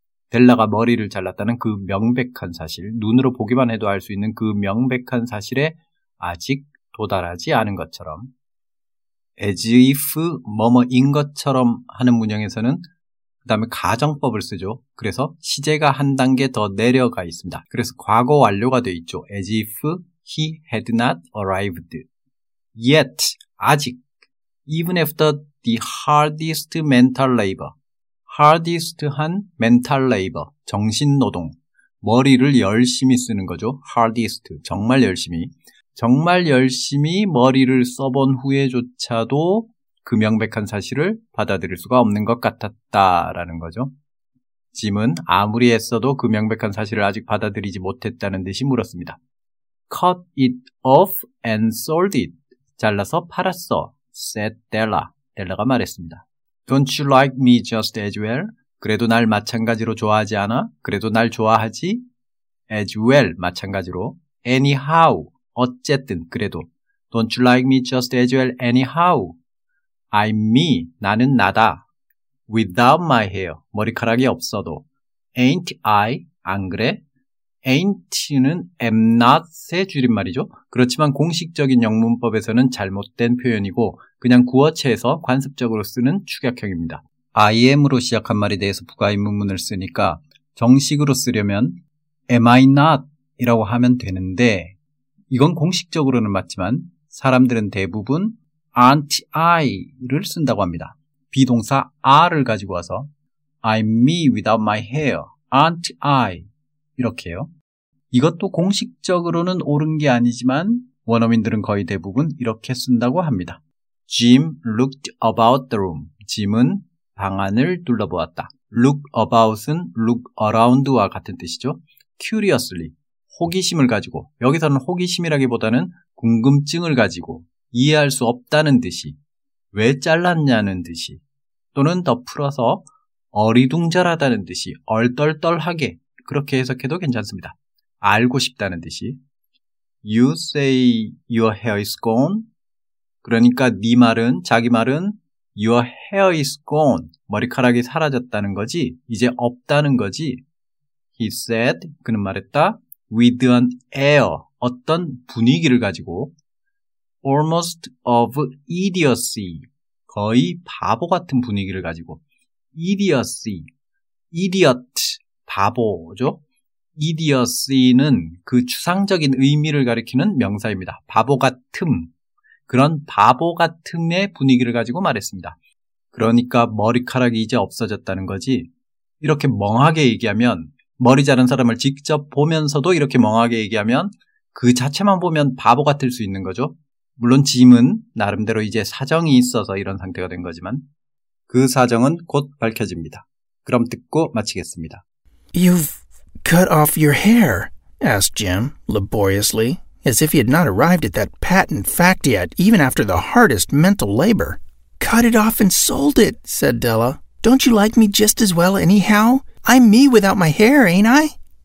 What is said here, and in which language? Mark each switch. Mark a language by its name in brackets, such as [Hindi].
[Korean] 델라가 머리를 잘랐다는 그 명백한 사실, 눈으로 보기만 해도 알 수 있는 그 명백한 사실에 아직 도달하지 않은 것처럼. [English] As if [Korean] 뭐뭐인 것처럼 하는 문형에서는 그 다음에 가정법을 쓰죠. 그래서 시제가 한 단계 더 내려가 있습니다. 그래서 과거 완료가 되어 있죠. [English] As if he had not arrived. Yet, 아직, even after the hardest mental labor, hardest 한 mental labor, [Korean] 정신노동, 머리를 열심히 쓰는 거죠. hardest, 정말 열심히. 정말 열심히 머리를 써본 후에조차도 그 명백한 사실을 받아들일 수가 없는 것 같았다라는 거죠. 짐은 아무리 애써도 그 명백한 사실을 아직 받아들이지 못했다는 듯이 물었습니다. [English] Cut it off and sold it. [Korean] 잘라서 팔았어, [English] said Della. [Korean] 델라가 말했습니다. [English] Don't you like me just as well? [Korean] 그래도 날 마찬가지로 좋아하지 않아? 그래도 날 좋아하지? [English] As well, [Korean] 마찬가지로. Anyhow, 어쨌든, 그래도. [English] Don't you like me just as well anyhow? I'm me, [Korean] 나는 나다. [English] Without my hair, [Korean] 머리카락이 없어도. [English] Ain't I, [Korean] 안 그래? Ain't는 am not의 줄임말이죠. 그렇지만 공식적인 영문법에서는 잘못된 표현이고 그냥 구어체에서 관습적으로 쓰는 축약형입니다. I am으로 시작한 말에 대해서 부가인문문을 쓰니까 정식으로 쓰려면 [English] am I not [Korean] 이라고 하면 되는데 이건 공식적으로는 맞지만 사람들은 대부분 [English] aren't I [Korean] 를 쓴다고 합니다. [English] 비동사 are를 [Korean] 가지고 와서 [English] I'm me without my hair, aren't I [Korean] 이렇게요. 이것도 공식적으로는 옳은 게 아니지만 원어민들은 거의 대부분 이렇게 쓴다고 합니다. [English] Jim looked about the room. [Korean] 짐은 방 안을 둘러보았다. [English] Look about [Korean] 은 [English] look around [Korean] 와 같은 뜻이죠. Curiously, 호기심을 가지고, 여기서는 호기심이라기보다는 궁금증을 가지고 이해할 수 없다는 듯이, 왜 잘랐냐는 듯이, 또는 더 풀어서 어리둥절하다는 듯이, 얼떨떨하게 그렇게 해석해도 괜찮습니다. 알고 싶다는 듯이. [English] You say your hair is gone. [Korean] 그러니까 네 말은, 자기 말은 [English] your hair is gone. [Korean] 머리카락이 사라졌다는 거지. 이제 없다는 거지. [English] He said, [Korean] 그는 말했다. [English] With an air, [Korean] 어떤 분위기를 가지고. [English] Almost of idiocy. [Korean] 거의 바보 같은 분위기를 가지고. [English] Idiocy. Idiot. [Korean] 바보죠. Idiocy는 그 추상적인 의미를 가리키는 명사입니다. 바보 같음. 그런 바보 같음의 분위기를 가지고 말했습니다. 그러니까 머리카락이 이제 없어졌다는 거지. 이렇게 멍하게 얘기하면 머리 자른 사람을 직접 보면서도 이렇게 멍하게 얘기하면 그 자체만 보면 바보 같을 수 있는 거죠. 물론 짐은 나름대로 이제 사정이 있어서 이런 상태가 된 거지만 그 사정은 곧 밝혀집니다. 그럼 듣고 마치겠습니다. [English] You've cut off your hair, asked Jim, laboriously, as if he had not arrived at that patent fact yet, even after the hardest mental labor. Cut it off and sold it, said Della. Don't you like me just as well anyhow? I'm me without my hair, ain't I?